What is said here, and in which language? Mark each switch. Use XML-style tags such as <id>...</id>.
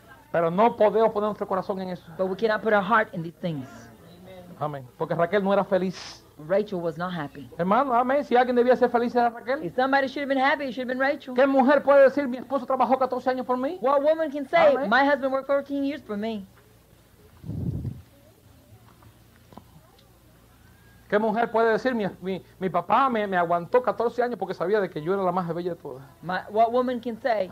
<es>Pero no podemos poner nuestro corazón en eso.</es> <en>But we cannot put our heart in these things.</en> <es>Amén. Porque Raquel no era feliz.</es> <en>Rachel was not happy.</en> <es>Hermano, amén. Si alguien debía ser feliz era Raquel.</es> <en>If somebody should have been happy, it should have been Rachel.</en> <es>¿Qué mujer puede decir mi esposo trabajó 14 años por mí?</es> <en>What woman can say amén. My husband worked 14 years for me?</en> <es>¿Qué mujer puede decir mi papá me aguantó 14 años porque sabía de que yo era la más bella de todas?</es> <en>What woman can say?</en>